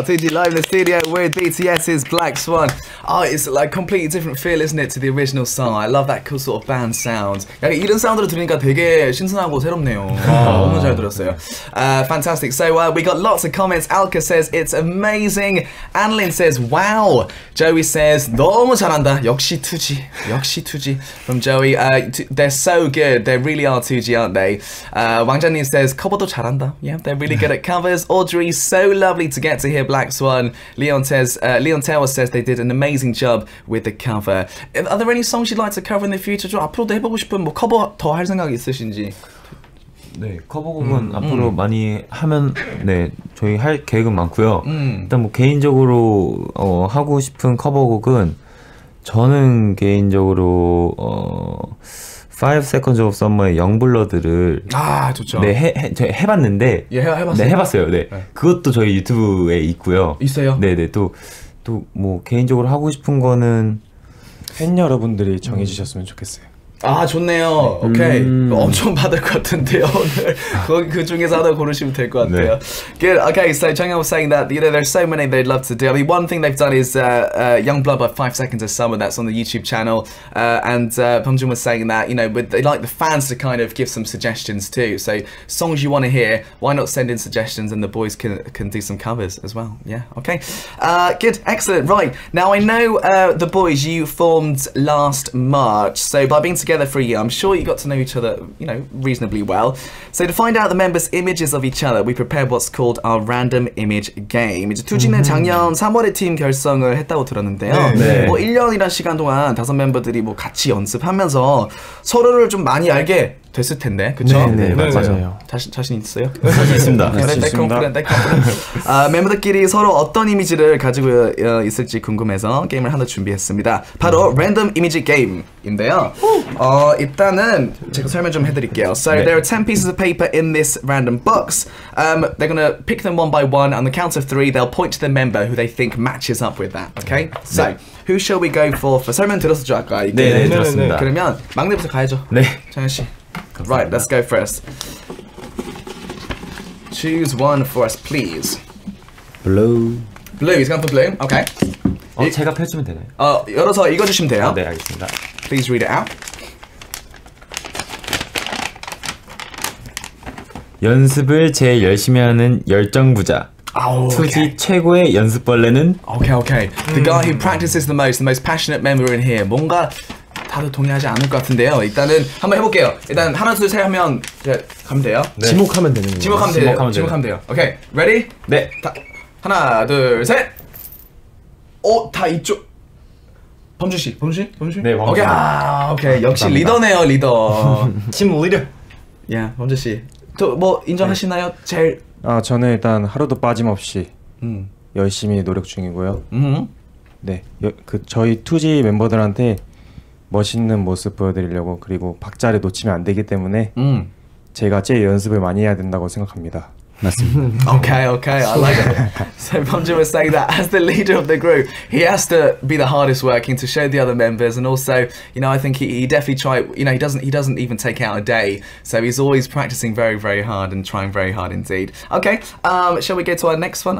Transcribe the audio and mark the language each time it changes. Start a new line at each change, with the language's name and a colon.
English: TuZi live in the studio with BTS's Black Swan. Oh, it's like a completely different feel, isn't it, to the original song. I love that cool sort of band sound.
Korean: 약간 이런 사운드를 들으니까 되게 신선하고 새롭네요. 너무 잘 들었어요.
English: Fantastic. So we got lots of comments. Alka says, it's amazing. Anlin says, wow. Joey says,
Korean: 너무 잘한다. 역시 TuZi. 역시 TuZi.
English: From Joey. They're so good. They really are TuZi, aren't they? 왕자님 says,
Korean: 커버도 잘한다.
English: Yeah, they're really good at covers. Audrey says, so lovely to get to hear Black Swan. Leon Taylor says they did an amazing job with the cover. Are there any songs you'd like to cover in the future?
Korean: 앞으로도 해보고 싶은 뭐 커버 더 할 생각 있으신지? 네, 커버곡은 앞으로 많이 하면 네 저희 할 계획은 많고요. 일단 뭐 개인적으로 하고 싶은 커버곡은 저는 개인적으로 5 Seconds of Summer의 Young Blood를 아 좋죠. 네 해봤는데 예 해봤어요. 네 해봤어요. 네. 네 그것도 저희 유튜브에 있고요. 있어요. 네네 또 뭐 개인적으로 하고 싶은 거는 팬 여러분들이 정해주셨으면 좋겠어요. 아 좋네요. 오케이 엄청 받을 것 같은데요. 오늘 그 중에서 하나 고르시면 될 것 같아요. 네. Good.
English: Okay, so Jungkook was saying that you know there's so many they'd love to do. I mean, one thing they've done is Young Blood by 5 Seconds of Summer. That's on the YouTube channel. And Bong Joon was saying that you know, but they'd like the fans to kind of give some suggestions too. So songs you want to hear, why not send in suggestions and the boys can do some covers as well. Yeah. Okay. Good. Excellent. Right. Now I know the boys you formed last March. So by being together for a year, I'm sure you got to know each other, you know, reasonably well. So to find out the members' images of each other, we prepared what's called our random image game.
Korean: 이제 투지는 작년 3월에 팀 결성을 했다고 들었는데요. 네, 네. 뭐 1년이란 시간 동안 다섯 멤버들이 뭐 같이 연습하면서 서로를 좀 많이 알게 됐을 텐데, 그렇죠? 네, 네, 네, 맞아요. 자신 있어요? 자신 있습니다. 있습니다. 멤버들끼리 서로 어떤 이미지를 가지고 있을지 궁금해서 게임을 하나 준비했습니다. 바로 랜덤 이미지 게임인데요. 일단은 제가 설명 좀 해드릴게요.
English: So 네. there are 10 pieces of paper in this random box. They're gonna pick them one by one. On the count of three, they'll point to the member who they think matches up with that. Okay? So
Korean: 네.
English: who shall we go for?
Korean: 설명 들었을 줄 알까요? 네, 들었습니다. 그러면 막내부터 가야죠. 네,
English: 장현 씨. Right, let's go first. Choose one for us, please. Blue. Blue, he's going for blue. Okay.
Korean: 제가 펼치면 되나요? 열어서 읽어주시면 돼요. 아, 네, 알겠습니다.
English: Please read it out.
Korean: 연습을 제일 열심히 하는 열정부자. 투지 최고의 연습벌레는?
English: Okay, okay. The guy who practices the most passionate member in here.
Korean: 뭔가 다들 동의하지 않을 것 같은데요. 일단은 한번 해볼게요. 일단 하나, 둘, 셋 하면 이제 가면 돼요. 네. 지목하면 되는 거예요. 지목하면 돼요. 오케이,
English: okay. ready?
Korean: 네. 하나, 둘, 셋. 다 이쪽. 범준 씨, 네, 범준. 오케이, 오케이. 역시 리더네요, 리더. 팀 리더. 야, 범준 씨. 또 뭐 인정하시나요? 네. 제일. 아, 저는 일단 하루도 빠짐없이 열심히 노력 중이고요. 네, 그 저희 투지 멤버들한테. 멋있는 모습 보여드리려고 그리고 박자를 놓치면 안 되기 때문에 제가 제일 연습을 많이 해야 된다고 생각합니다. 맞습니다.
English: Okay, okay, I like it. So Bongju was saying that as the leader of the group, he has to be the hardest working to show the other members, and also, you know, I think he definitely tried. You know, he doesn't even take out a day, so he's always practicing very, very hard and trying very hard indeed. Okay, shall we go to our next one?